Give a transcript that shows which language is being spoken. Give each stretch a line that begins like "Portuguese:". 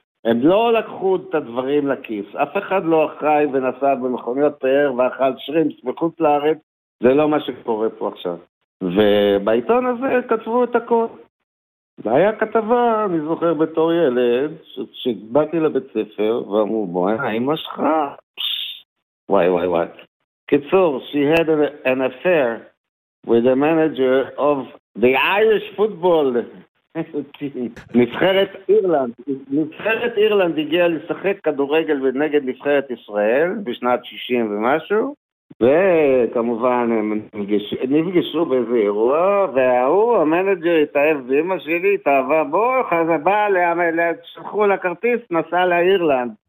Hebrew: הם לא לקחו את הדברים לכיס. אף אחד לא אחראי ונסע במכוניות פאר ואכל שרימפס בחוץ לארץ, זה לא מה שקורה פה עכשיו. ובעיתון הזה כתבו את הכל. והיה כתבה, אני זוכר בתור ילד, שבאתי לבית ספר, ואמרו, בואי, אמא שלך, וואי, וואי, וואי. קיצור,
English: she had an affair with the manager of the Irish football team.
Hebrew: נבחרת אירלנד. נבחרת אירלנד הגיעה לשחק כדורגל ונגד נבחרת ישראל, בשנת 60 ומשהו, וכמובן הם נפגשו באיזה אירוע, והוא, המנג'ר התאהב באמא שלי, התאהבה בו, אז בא, שלחו לכרטיס, נסע לאירלנד.